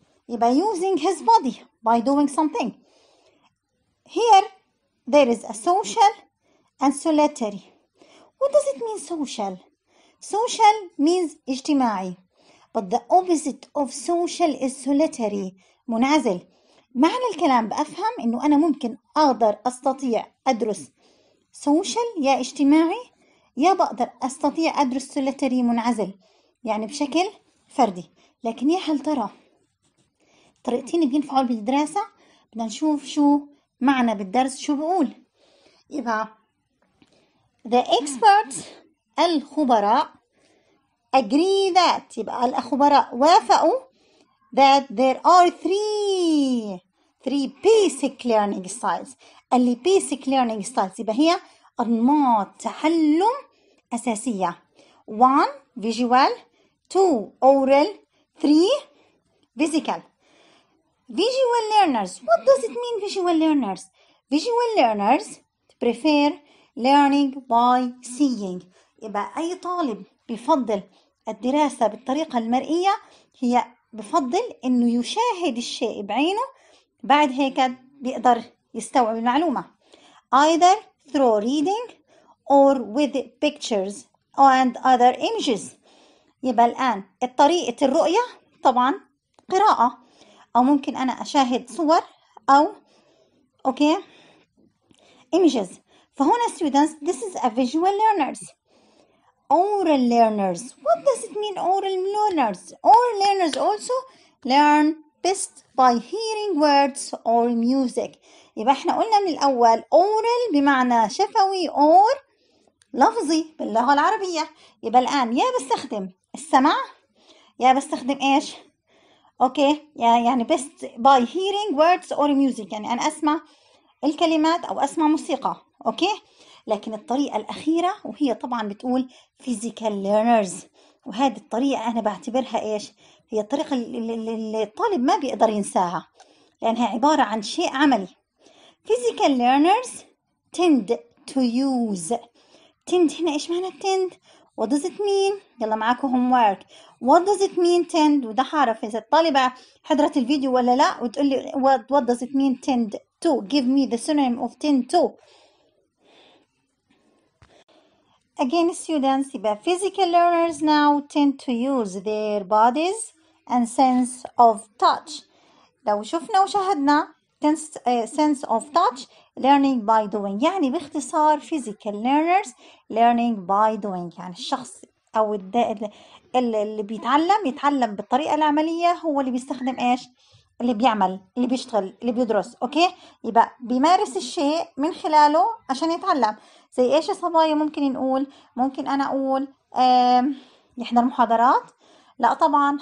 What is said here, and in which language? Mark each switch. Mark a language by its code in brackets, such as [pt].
[en] يبقى using his body by doing something. Here there is a social and solitary. What does it mean social? Social means اجتماعي. But the opposite of social is solitary. [ar] منعزل. معنى الكلام بأفهم إنه أنا ممكن أقدر أستطيع أدرس social يا اجتماعي يا بقدر أستطيع أدرس سوليتري منعزل يعني بشكل فردي. لكن يا هل ترى طريقتين بينفعوا بالدراسة؟ بدنا نشوف شو معنى بالدرس شو بقول. يبقى [en] The experts, الخبراء, agree that, [ar] يبقى الخبراء وافقوا, [en] that there are three basic learning styles. [ar] اللي [en] basic learning styles, [ar] يبقى هي أنماط تعلم أساسية. [en] One, visual. Two, oral. Three, physical. Visual learners. What does it mean, visual learners? Visual learners prefer learning by seeing. [ar] يبقى أي طالب بفضل الدراسة بالطريقة المرئية هي بفضل أنه يشاهد الشيء بعينه, بعد هيك بيقدر يستوعب المعلومة. [en] Either through reading or with pictures and other images. [ar] يبقى الآن الطريقة الرؤية طبعا قراءة, أو ممكن أنا أشاهد صور أو أوكي images. [en] فهنا students, this is a visual learners. Oral learners. What does it mean, oral learners? Oral learners also learn best by hearing words or music. [ar] يبقى احنا قلنا من الأول oral بمعنى شفوي or لفظي باللغة العربية. يبقى الآن يا بستخدم السمع, يا بستخدم ايش؟ اوكي يعني [en] best by hearing words or music, [ar] يعني أنا أسمع الكلمات أو أسمع موسيقى. اوكي لكن الطريقة الأخيرة وهي طبعا بتقول physical learners, وهذه الطريقة أنا بعتبرها إيش, هي الطريقة اللي الطالب ما بيقدر ينساها لأنها عبارة عن شيء عملي. [en] physical learners tend to use. tend [ar] هنا إيش معنى [en] tend؟ what does it mean؟ [ar] يلا معاكم [en] homework. what does it mean tend؟ [ar] وده حرف, إذا الطالبة حضرت الفيديو ولا لا وتقول لي [en] what does it mean tend to, give me the synonym of tend to. Again, students, physical learners now tend to use their bodies and sense of touch. [ar] لو شفنا وشاهدنا [en] sense of touch, learning by doing. [ar] يعني باختصار, [en] physical learners learning by doing. [ar] يعني الشخص أو اللي بيتعلم, يتعلم بالطريقة العملية, هو اللي بيستخدم إيش؟ اللي بيعمل, اللي بيشتغل, اللي بيدرس. أوكي؟ يبقى بيمارس الشيء من خلاله عشان يتعلم. زي ايش يا صبايا ممكن نقول؟ ممكن انا اقول يحضر محاضرات؟ لا طبعا.